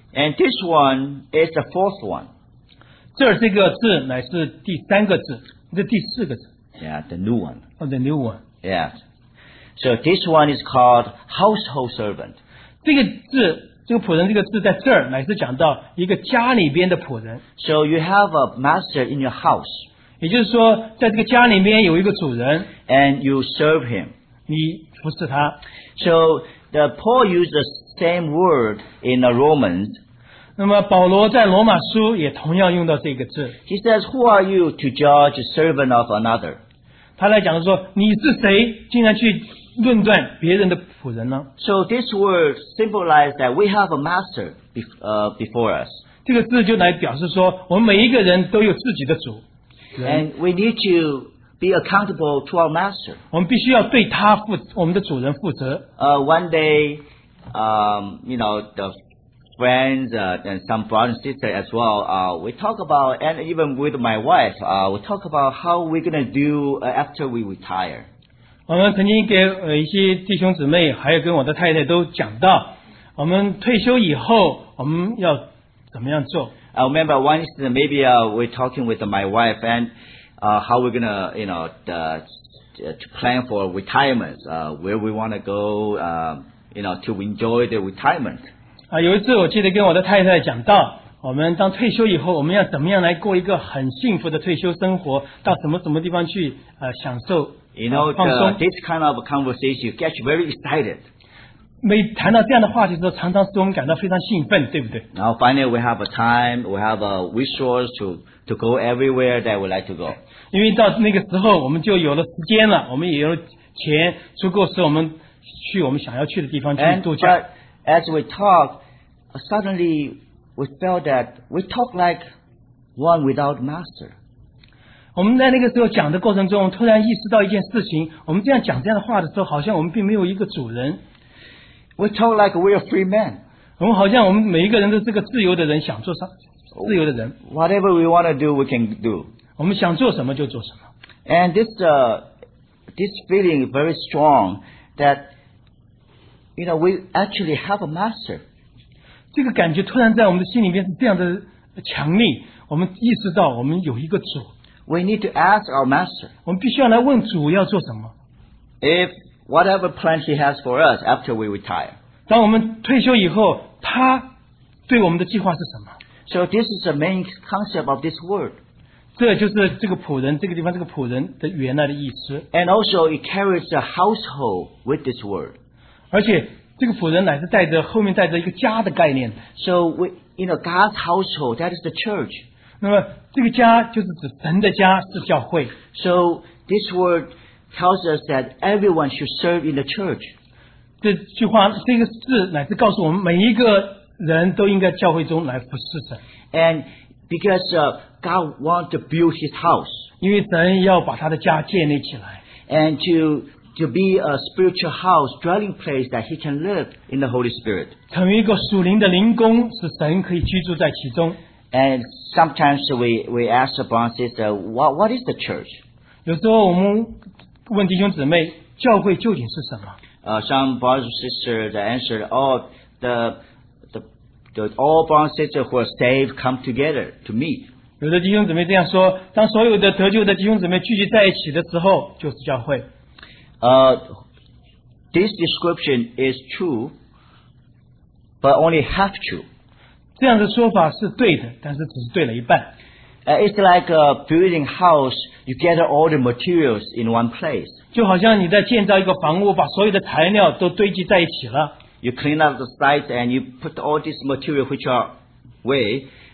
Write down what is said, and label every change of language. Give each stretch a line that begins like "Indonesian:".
English: And this one is the 4th one.
Chinese: 这个字乃是第三个字,这第四个字。
English: Yeah, the new one. Oh, the new one. Yeah. So this one is called household servant.
Chinese: 这个字，这个仆人这个字在这儿乃是讲到一个家里边的仆人。
English: So you have a master in your house.
Chinese: 也就是说，在这个家里边有一个主人。
English: And you serve him.
Chinese: 你服侍他。
English: So the Paul used the same word in the Romans.
Chinese: 那么保罗在罗马书也同样用到这个字。
English: He says, "Who are you to judge a servant of another?"
Chinese: 他来讲说，你是谁，竟然去论断别人的仆人呢？
English: So this word symbolizes that we have a master before us.
Chinese: 这个字就来表示说，我们每一个人都有自己的主。
English: And we need to be accountable to our master.
Chinese: 我们必须要对他负我们的主人负责。
English: One day, you know, the friends and some brothers and sisters as well, we talk about, and even with my wife, we talk about how we're going to do after we retire.
Chinese: 我们曾经给一些弟兄姊妹还有跟我的太太都讲到我们退休以后我们要怎么样做。
English: I remember once maybe we're talking with my wife and how we're going to, you know, to plan for retirement, where we want to go, you know, to enjoy the retirement.
Chinese: 有一次我记得跟我的太太讲到我们当退休以后我们要怎么样来过一个很幸福的退休生活到什么什么地方去享受。
English: You know, this kind of conversation gets you very excited.
Chinese: 每谈到这样的话题的时候，常常使我们感到非常兴奋，对不对？
English: Now finally we have a time, we have a resource to go everywhere that we like to go.
Chinese: 因为到那个时候，我们就有了时间了，我们也有钱足够使我们去我们想要去的地方去度假。
English: And as we talk, suddenly we felt that we talk like one without master.
Chinese: 我们在那个时候讲的过程中突然意识到一件事情我们这样讲这样的话的时候好像我们并没有一个主人
English: We talk like we're a free man
Chinese: 我们好像我们每一个人都是个自由的人想做啥自由的人
English: Whatever we want to do we can do
Chinese: 我们想做什么就做什么
English: And this feeling is very strong that you know we actually have a master
Chinese: 这个感觉突然在我们的心里面是这样的强力我们意识到我们有一个主
English: We need to ask our master.
Chinese: 我们必须要来问主要做什么。
English: If whatever plan he has for us after we retire.
Chinese: 当我们退休以后，他对我们的计划是什么
English: ？So this is the main concept of this word.
Chinese: 这就是这个仆人这个地方这个仆人的原来的意思。
English: And also it carries a household with this word.
Chinese: 而且这个仆人乃是带着后面带着一个家的概念。
English: So we, you know, God's household that is the church.
Chinese: 那么这个家就是指神的家是教会
English: So this word tells us that everyone should serve in the church
Chinese: 这句话这个字乃是告诉我们每一个人都应该教会中来服侍神
English: And because God wants to build his house
Chinese: 因为神要把他的家建立起来
English: And to be a spiritual house dwelling place that he can live in the Holy Spirit
Chinese: 成为一个属灵的灵宫使神可以居住在其中
English: And sometimes we ask the brothers and sisters, what is the church?
Chinese: 有时候我们问弟兄姊妹，教会究竟是什么？
English: Some brothers and sisters the answer, oh, the all brothers and sisters who are saved come together to meet.
Chinese: 有的弟兄姊妹这样说，当所有的得救的弟兄姊妹聚集在一起的时候，就是教会。
English: This description is true, but only half true.
Chinese: 这样的说法是对的，但是只是对了一半。
English: It's like a building house. You gather all the materials in one place.
Chinese: 就好像你在建造一个房屋，把所有的材料都堆积在一起了。
English: You clean up the site and you put all these material which are away.